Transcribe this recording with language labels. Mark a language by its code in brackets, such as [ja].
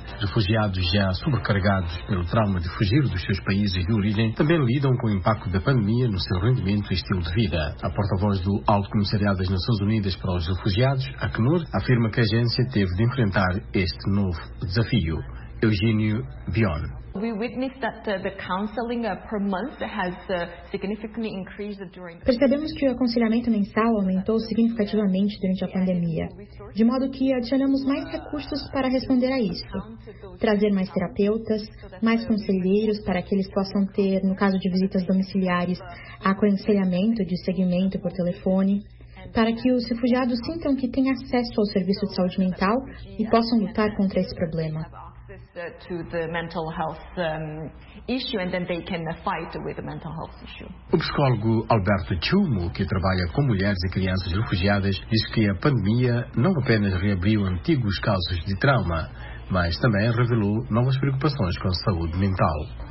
[pt] Refugiados já sobrecarregados pelo trauma de fugir dos seus países de origem também lidam com o impacto da pandemia no seu rendimento e estilo de vida. A porta-voz do Alto Comissariado das Nações Unidas para os Refugiados, ACNUR, afirma que a agência teve de enfrentar este novo desafio. Eugênio Bion. [en] We witnessed that the counseling per month has significantly increased during the [pt] pandemic. Percebemos que o aconselhamento mensal aumentou significativamente durante a pandemia, de modo que adicionamos mais recursos para responder a isso. Trazer mais terapeutas, mais conselheiros para que eles possam ter, no caso de visitas domiciliares, aconselhamento de seguimento por telefone, para que os refugiados sintam que têm acesso ao serviço de saúde mental e possam lutar contra esse problema. [en] To the mental health issue, and then they can fight with the mental health issue. [pt] O psicólogo Alberto Chumo, que trabalha com mulheres e crianças refugiadas, diz que a pandemia não apenas reabriu antigos casos de trauma, mas também revelou novas preocupações com a saúde mental.